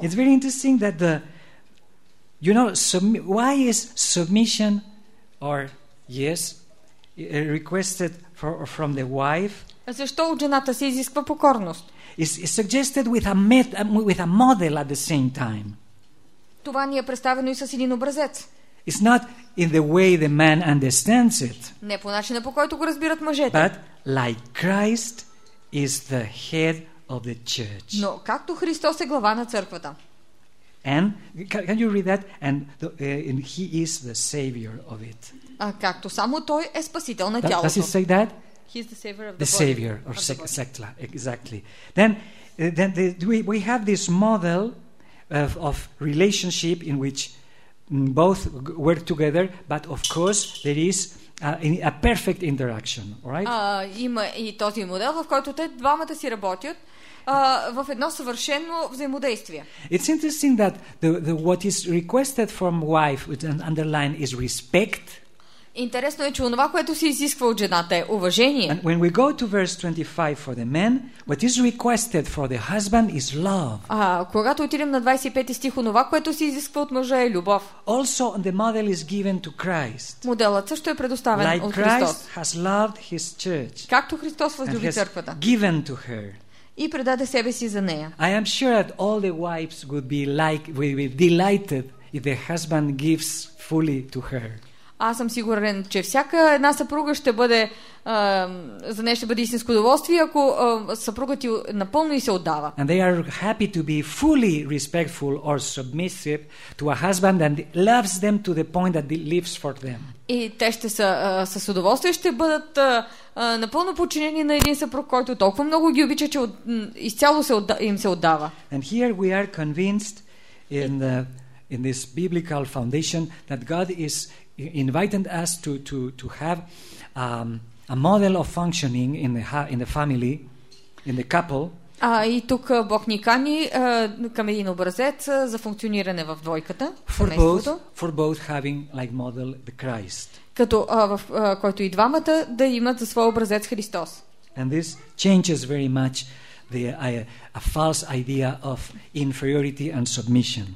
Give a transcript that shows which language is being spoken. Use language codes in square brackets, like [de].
[en] It's very interesting that the you know why is submission or yes requested from the wife? [bg] Защо от жената се изисква покорност? [en] It's suggested with a model at the same time. [bg] Това ни е представено и с един образец. [en] It's not in the way the man understands it. [bg] Не по начина по който го разбират мъжете. [en] But like Christ is the head of the church. [bg] Но както Христос е глава на църквата. [en] And can you read that? And he is the savior of it. [bg] А както само той е спасител на тялото. [en] Does he say that? He's the savior of the body. Savior or of the sectla, exactly. Then we have this model of relationship in which both work together, but of course there is a perfect interaction, right? [bg] Има и този модел, в който те двамата си работят в едно съвършено взаимодействие. [en] It's interesting that the what is requested from wife with an underline is respect. [bg] Интересно е, че онова, което се изисква от жената, е уважение. [en] And when we go to verse 25 for the men, what is requested for the husband is love. [bg] А когато отидем на 25 стих, онова, което се изисква от мъжа, е любов. [en] Also, the model is given to Christ. [bg] Моделът също е предоставен [en] like [bg] от Христос. [en] Christ has loved his church. [bg] Както Христос възлюби църквата. [en] Given to her. [bg] И предаде себе си за нея. [en] I am sure that all the wives would be like would be delighted if the husband gives fully to her. [bg] Аз съм сигурен, че всяка една съпруга ще бъде за нея ще бъде истинско удоволствие, ако съпругът ти напълно и се отдава. [en] And they are happy to be fully respectful or submissive to a husband that loves them to the point that lives for them. [bg] И те ще са с удоволствие ще бъдат напълно подчинени на един съпруг, който толкова много ги обича, че изцяло им се отдава. [en] And here we are convinced in this biblical foundation that God is invited us to have a model of functioning in the family, in the couple. [bg] И тук Бог ни кани към един образец за функциониране в двойката, [en] for both having like model the Christ. [bg] Като който и двамата да имат за своя образец Христос. [en] And this changes very much a false idea of inferiority and submission.